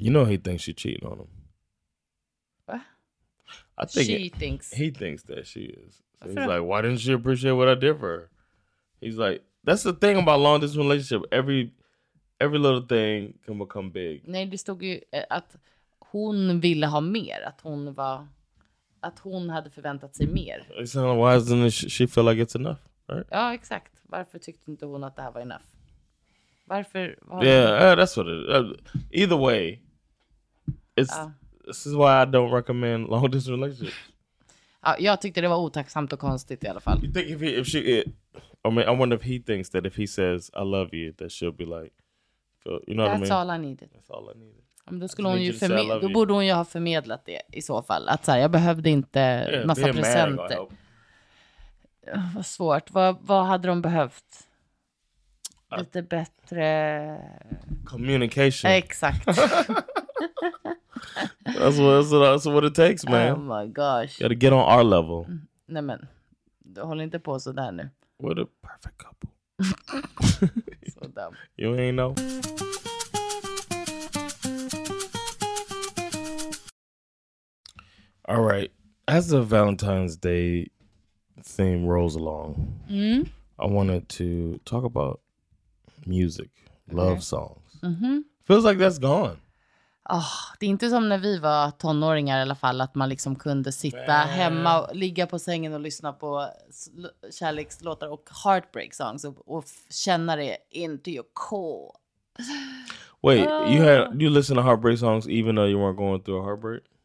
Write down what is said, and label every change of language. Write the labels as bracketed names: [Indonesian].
[English] You know he thinks she cheated on him. What? He thinks that she is. So he's like, why didn't she appreciate what I did for her? He's like, that's the thing about long distance relationship. Every little thing can become big. [Swedish] Nej, det stod ju att hon ville ha mer. Att hon hade förväntat sig mer. [English] It's not, why doesn't she feel like it's enough? Right? [Swedish] Ja, exakt. Varför tyckte inte hon att det här var enough? Varför? [English] That's what it is. Either way, this is why I don't recommend long distance relationships. [Swedish] Ja, jag tyckte det var otacksamt och konstigt i alla fall. [English] You think I wonder if he thinks that if he says I love you, that she'll be like, you know what I mean? That's all I needed. That's all I needed. [Swedish] Men då skulle hon ju förmedla. Då borde hon ju ha förmedlat det i så fall. Att så här, jag behövde inte massa presenter. Vad svårt. Vad hade de behövt? Lite bättre... [English] Communication. [Swedish] Exakt. [English] that's what it takes, man. Oh my gosh. You gotta get on our level. [Swedish] Nej, men. Du håller inte på så där nu. [English] What a perfect couple. So dumb. You ain't know. All right. As the Valentine's Day theme rolls along, I wanted to talk about music, love songs. Mm-hmm. Feels like that's gone. [Swedish] Oh, det är inte som när vi var tonåringar i alla fall, att man liksom kunde sitta hemma och ligga på sängen och lyssna på kärlekslåtar och [English] heartbreak songs [Swedish] och känna det [English] into your core. Wait, you listen to heartbreak songs even though you weren't going through a heartbreak?